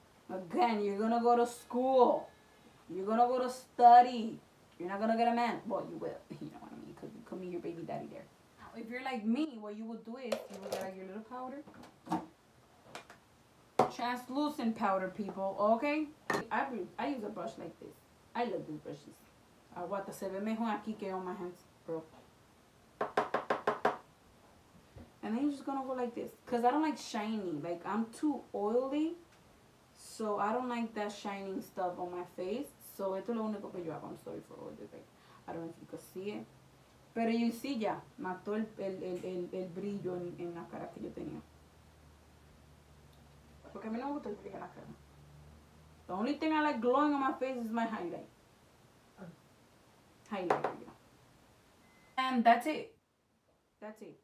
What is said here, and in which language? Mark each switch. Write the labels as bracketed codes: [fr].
[en] Again, you're gonna go to school. You're gonna go to study. You're not gonna get a man. Well, you will, you know what I mean, because you could meet your baby daddy there. If you're like me, what you would do is you would get like your little powder. Translucent powder, people, okay? I use a brush like this. I love these brushes. [es] Aguanta, se ve mejor aquí que [en] on my hands, bro. And then you're just gonna go like this. Because I don't like shiny. Like, I'm too oily. So I don't like that shining stuff on my face. So [es] esto lo único que yo hago. [en] I'm sorry for all this. Like, I don't know if you can see it. [es] Pero [en] you see [es] ya, mató el brillo en la cara que yo tenía. Porque a mí no me gusta el brillo en la cara. [en] The only thing I like glowing on my face is my highlight. Highlight, yeah. And that's it. That's it.